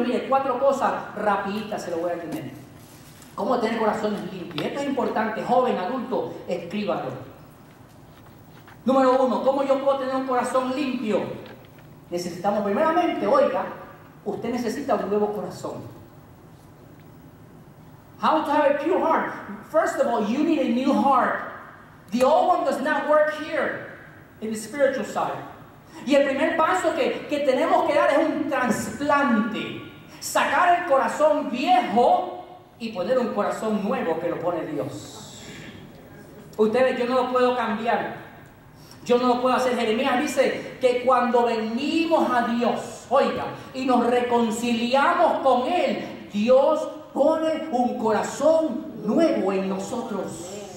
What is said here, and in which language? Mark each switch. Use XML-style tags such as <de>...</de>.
<es>Mire, cuatro cosas rapiditas se lo voy a tener. ¿Cómo tener corazones limpios? Esto es importante, joven, adulto, escríbalo. Número uno, ¿cómo yo puedo tener un corazón limpio? Necesitamos, primeramente, oiga, usted necesita un nuevo corazón.</es> <en>How to have a pure heart? First of all, you need a new heart. The old one does not work here, in the spiritual side.</en> <es>Y el primer paso que tenemos que dar es un trasplante. Sacar el corazón viejo y poner un corazón nuevo que lo pone Dios. Ustedes, yo no lo puedo cambiar. Yo no lo puedo hacer. Jeremías dice que cuando venimos a Dios, oiga, y nos reconciliamos con Él, Dios pone un corazón nuevo en nosotros.</es>